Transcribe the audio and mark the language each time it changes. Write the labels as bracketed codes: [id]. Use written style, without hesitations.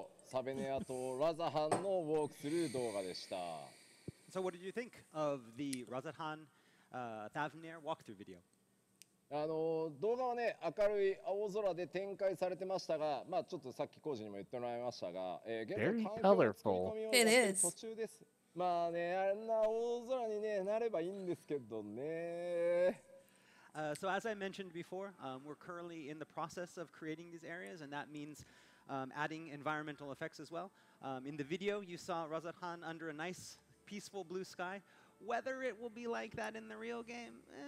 [ja] サベネアとラザハンのウォークスルー動画でした。 [en] So what did you think of the Razadhan, Thavnir walkthrough video? [ja] 動画はね、明るい青空で展開されてましたが、まあちょっとさっきコージにも言ってもらいましたが、現在環境の作り込みを途中です。まあね、あんな青空にね、なればいいんですけどね。 [en] So as I mentioned before, we're currently in the process of creating these areas, and that means adding environmental effects as well. In the video, you saw Razadhan under a nice, peaceful blue sky. Whether it will be like that in the real game,